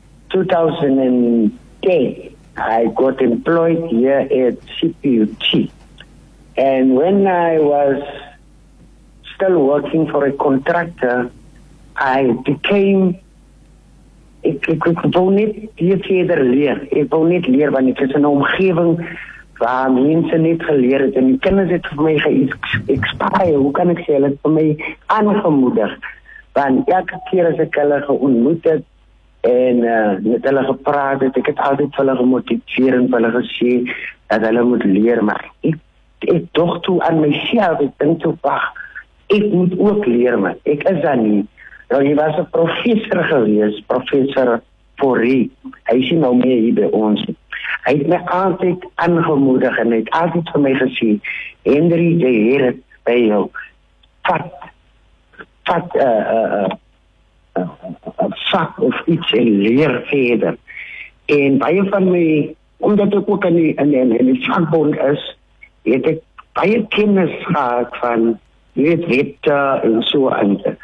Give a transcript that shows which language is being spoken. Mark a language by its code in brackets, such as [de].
[en] 2010, I got employed here at CPUT. And when I was still working for a contractor, I became [af] ek wou net hier verder leer. Ek wou net leer want ek is in 'n omgewing waar mense net geleer het en die kinders het vir my geïnspireer. Hoe kan ek sê hulle het vir my aangemoedig? Want elke keer as ek hulle geontmoet het en met hulle gepraat het, ek het altyd vir hulle gemotiveer en vir hulle gesê dat hulle moet leer. Maar ek dog toe aan myself, ek dink toe, wag, ek moet ook leer, man. Ek is dan nie. Nou, hy was 'n professor gewees, professor Porrie. Hy is nou meer hier by ons. Hy het my altyd aangemoedig en hy het altyd vir my gesê, Henry, jy het dit by jou. Vat een vak of iets en leer verder. En baie van my, omdat ek ook in die vakbond is, het ek baie kennis gehad van wette en so aan.